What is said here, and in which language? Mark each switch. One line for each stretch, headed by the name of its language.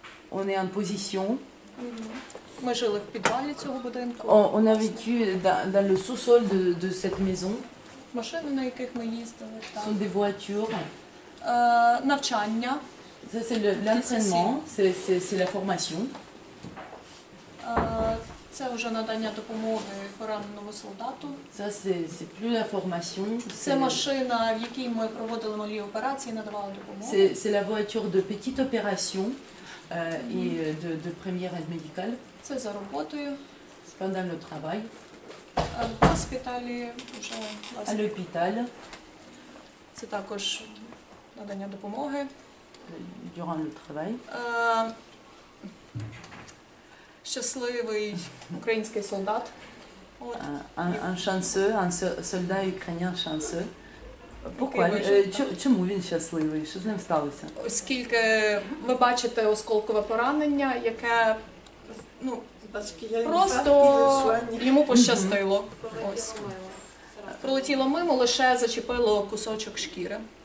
French: On est en position. On a vécu dans le sous-sol de cette maison. Ce sont des voitures.
Ukrainian: Навчання.
French: Ça, c'est l'entraînement, c'est la formation.
Ukrainian: Це вже надання допомоги пораненому солдату.
French: Ça, c'est plus la formation.
Ukrainian: Це машина, в якій ми проводили малі операції, надавали допомогу.
French: C'est la voiture de petite opération et de première aide médicale.
Ukrainian: Це за роботою.
French: C'est pendant le travail.
Ukrainian: В госпіталі вже
French: власне. À l'hôpital.
Ukrainian: Це також надання допомоги.
French: Durant le travail.
Ukrainian: Щасливий український солдат.
French: Un chanceux, un soldat ukrainien chanceux. Pourquoi?
Ukrainian: Чому він щасливий? Що з ним сталося? Оскільки ви бачите осколкове поранення, яке просто йому пощастило. Пролетіло мимо, лише зачепило кусочок шкіри.